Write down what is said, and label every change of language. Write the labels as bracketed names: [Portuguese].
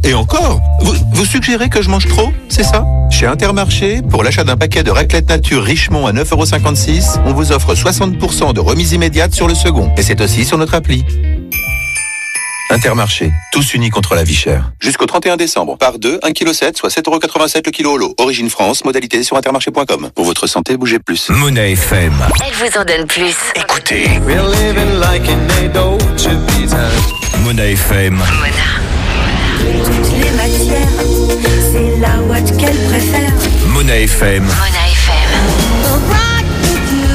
[French] Et encore, vous suggérez que je mange trop, c'est ça? Chez Intermarché, pour l'achat d'un paquet de raclette nature Richemont à 9,56€, on vous offre 60% de remise immédiate sur le second. Et c'est aussi sur notre appli. Intermarché, tous unis contre la vie chère. Jusqu'au 31 décembre, par deux, 1,7 kg, soit 7,87€ le kilo au lot. Origine France, modalité sur intermarché.com. Pour votre santé, bougez plus. Mona FM. Elle vous en donne plus. Écoutez. [English] We're living like in a Dolce Vita. [French] Mona FM. Mona. Toutes les matières, c'est la boîte qu'elle préfère. Mona FM. Mona FM.